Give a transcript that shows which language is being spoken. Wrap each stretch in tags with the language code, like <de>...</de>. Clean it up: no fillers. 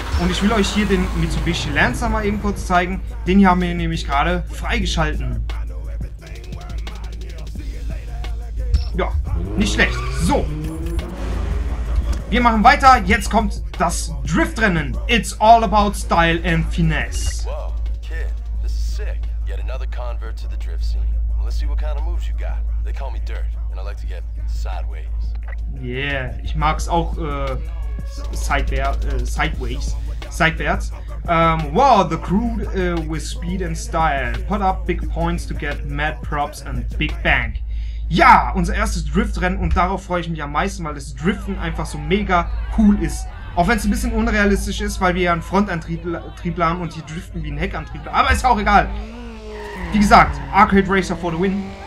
<de>Und ich will euch hier den Mitsubishi Lancer mal eben kurz zeigen, den hier haben wir nämlich gerade freigeschalten. Ja, nicht schlecht. So. Wir machen weiter. Jetzt kommt das Driftrennen.</de> <en>It's all about style and finesse. Wow, kid. This is sick. Yet another convert to the drift scene. Well, let's see what kind of moves you got. They call me Dirt. And I like to get sideways.</en> <de>Yeah, ich mag's auch, sideways. Sidewärts.</de> <en>Wow, the crew with speed and style. Put up big points to get mad props and big bang.</en> <de>Ja, unser erstes Driftrennen und darauf freue ich mich am meisten, weil das Driften einfach so mega cool ist. Auch wenn es ein bisschen unrealistisch ist, weil wir ja einen Frontantrieb haben und die driften wie ein Heckantrieb. Aber ist auch egal. Wie gesagt, Arcade Racer</de> <en>for the win.</en>